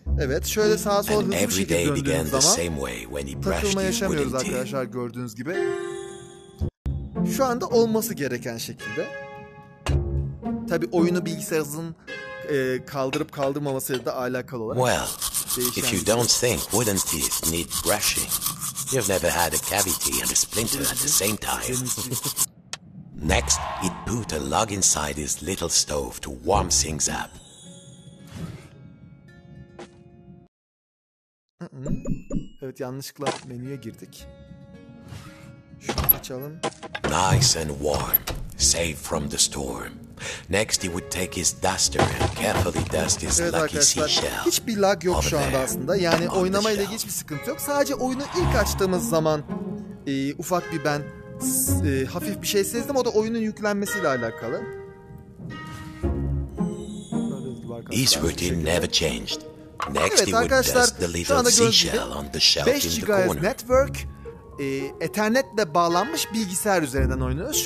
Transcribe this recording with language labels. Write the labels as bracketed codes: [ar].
[tr] Evet, şöyle sağa sola hızlı bir şekilde döndüğümüz zaman takılma yaşamıyoruz arkadaşlar, gördüğünüz gibi. Şu anda olması gereken şekilde. Tabii oyunu bilgisayarınızın kaldırıp kaldırmamasıyla da alakalı olarak. [en] Well, if you don't think wooden teeth need brushing, you've never had a cavity and a splinter at the same time. Next, it put a log inside his little stove to warm things up. [tr] Evet, yanlışlıkla menüye girdik. Şunu açalım. [en] Nice and warm, safe from the storm. Next, he would take his duster and carefully dust his [tr] evet, [en] lucky seashell. [tr] Hiçbir lag yok şu anda aslında. Yani oynamayla ilgili hiçbir sıkıntı yok. Sadece oyunu ilk açtığımız zaman ufak bir ben hafif bir şey sezdim. O da oyunun yüklenmesiyle alakalı. [en] His routine never changed. Next, [tr] evet arkadaşlar, şu anda gördüğünüz gibi 5 GHz network, Ethernet'le bağlanmış bilgisayar üzerinden oynuyoruz.